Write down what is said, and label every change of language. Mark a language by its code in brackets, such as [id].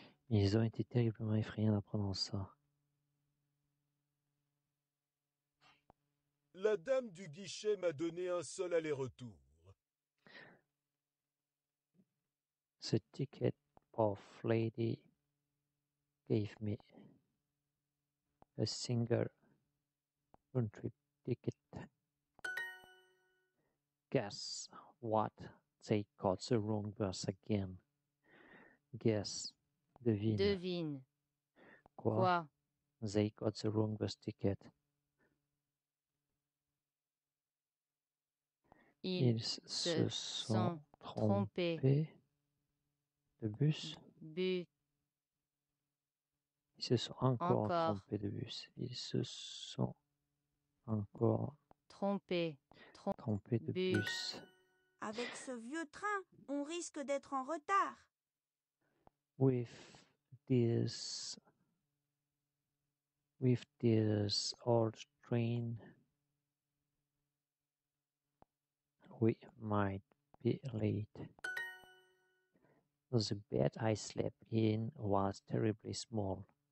[fr] Ils ont été terriblement effrayés en apprenant ça. La dame du guichet m'a donné un seul aller-retour. [en] The ticket of lady gave me a single country ticket. Guess what? They caught the wrong bus again. Guess. [fr] Devine. Devine. Quoi? [en] They caught the wrong bus ticket. [fr] Ils se sont trompés. De bus. [en] But. [fr] Ils se sont encore trompés de bus. Ils se sont encore trompés de bus. Avec ce vieux train, on risque d'être en retard. [en] With this old train, we might be late. The bed I slept in was terribly small.